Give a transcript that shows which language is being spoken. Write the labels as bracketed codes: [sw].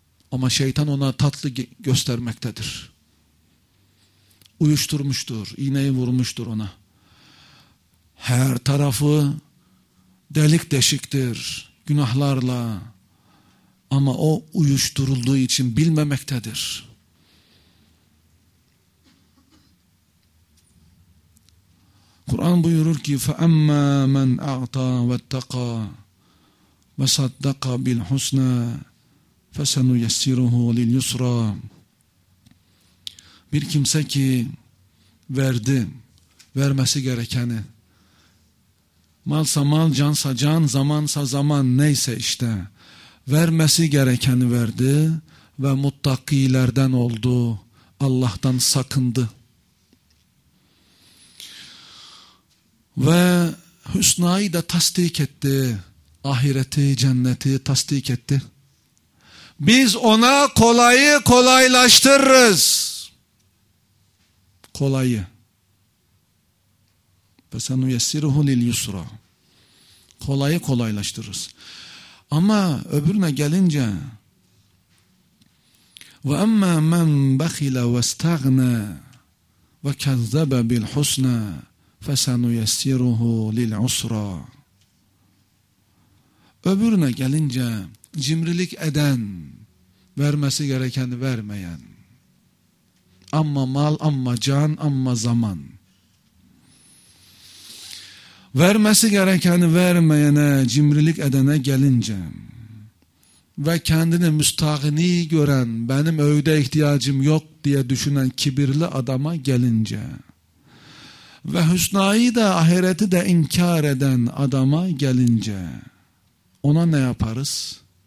[tr] Ama şeytan ona tatlı göstermektedir. Uyuşturmuştur, iğneyi vurmuştur ona. Her tarafı delik deşiktir günahlarla. Ama o uyuşturulduğu için bilmemektedir. Kur'an buyurur ki [ar] فَأَمَّا مَنْ اَعْطَى وَاتَّقَى وَسَدَّقَ بِالْحُسْنَى فَسَنُيَسِّرُهُ لِلْيُسْرَى. [tr] Bir kimse ki verdi, vermesi gerekeni, malsa mal, cansa can, zamansa zaman, neyse işte, vermesi gerekeni verdi ve muttakilerden oldu, Allah'tan sakındı. Ve Hüsna'yı da tasdik etti. Ahireti, cenneti tasdik etti. Biz ona kolayı kolaylaştırırız. Kolayı. [ar] فَسَنُوا يَسِّرُهُ لِلْيُسْرَى. [tr] Kolayı kolaylaştırırız. Ama öbürüne gelince [ar] وَاَمَّا مَنْ بَخِلَ وَاسْتَغْنَى وَكَذَّبَ بِالْحُسْنَى فَسَنُيَسِّرُهُ لِلْعُسْرَى. [tr] Öbürüne gelince cimrilik eden, vermesi gerekeni vermeyen, amma mal, amma can, amma zaman, vermesi gerekeni vermeyene, cimrilik edene gelince ve kendini müstağni gören, benim öğüde ihtiyacım yok diye düşünen kibirli adama gelince ve Hüsna'yı da ahireti de inkar eden adama gelince ona ne yaparız?